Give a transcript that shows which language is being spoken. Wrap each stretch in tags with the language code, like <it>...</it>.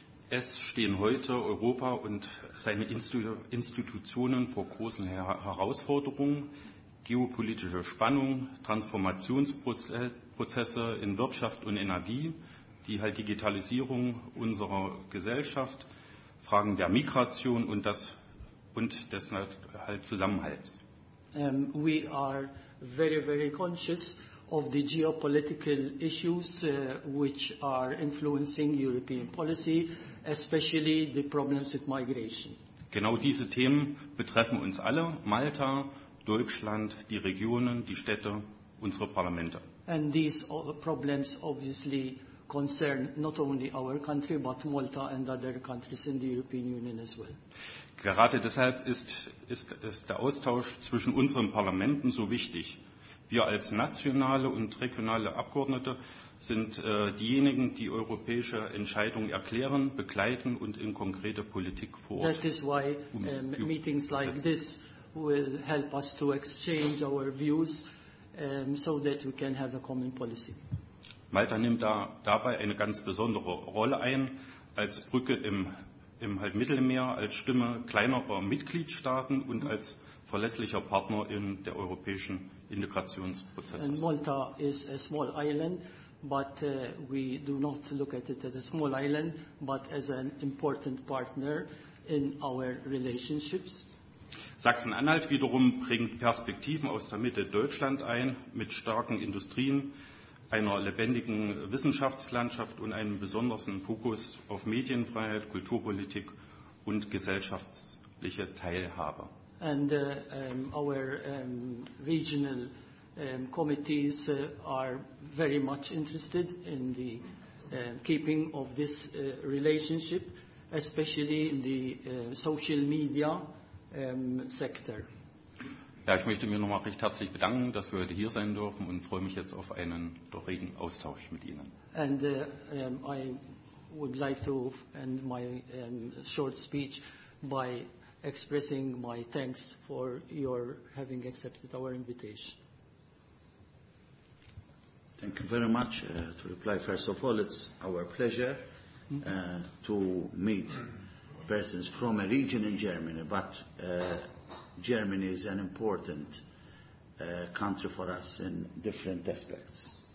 <de>Es stehen heute Europa und seine Institutionen vor großen Herausforderungen. Geopolitische Spannung, Transformationsprozesse in Wirtschaft und Energie, die halt Digitalisierung unserer Gesellschaft, Fragen der Migration und des halt Zusammenhalts.</de> <en>We are very, very conscious of the geopolitical issues which are influencing European policy, especially the problems with migration.</en> <de>Genau diese Themen betreffen uns alle, Malta, Deutschland, die Regionen, die Städte, unsere Parlamente.</de> <en>And these problems obviously concern not only our country, but Malta and other countries in the European Union as well.</en> <de>Gerade deshalb ist der Austausch zwischen unseren Parlamenten so wichtig. Wir als nationale und regionale Abgeordnete sind diejenigen, die europäische Entscheidungen erklären, begleiten und in konkrete Politik vor Ort.</de> <en>That is why meetings like this will help us to exchange our views so that we can have a common policy.</en> <de>Malta nimmt dabei eine ganz besondere Rolle ein, als Brücke im Mittelmeer, als Stimme kleinerer Mitgliedstaaten und als verlässlicher Partner in der europäischen Integrationsprozess.</de> <en>And Malta is a small island, but we do not look at it as a small island, but as an important partner in our relationships.</en> <de>Sachsen-Anhalt wiederum bringt Perspektiven aus der Mitte Deutschland ein, mit starken Industrien, einer lebendigen Wissenschaftslandschaft und einem besonderen Fokus auf Medienfreiheit, Kulturpolitik und gesellschaftliche Teilhabe.</de> <en>And our regional committees are very much interested in the keeping of this relationship, especially in the social media sector.</en> <de>Ja, ich möchte mir nochmal recht herzlich bedanken, dass wir heute hier sein dürfen und freue mich jetzt auf einen doch regen Austausch mit Ihnen.</de> <en>And I would like to end my short speech by expressing my thanks for your having accepted our invitation. Thank you very much. To reply, first of all, it's our pleasure to meet persons from a region in Germany, but Germany is an important country for us in different aspects.</en>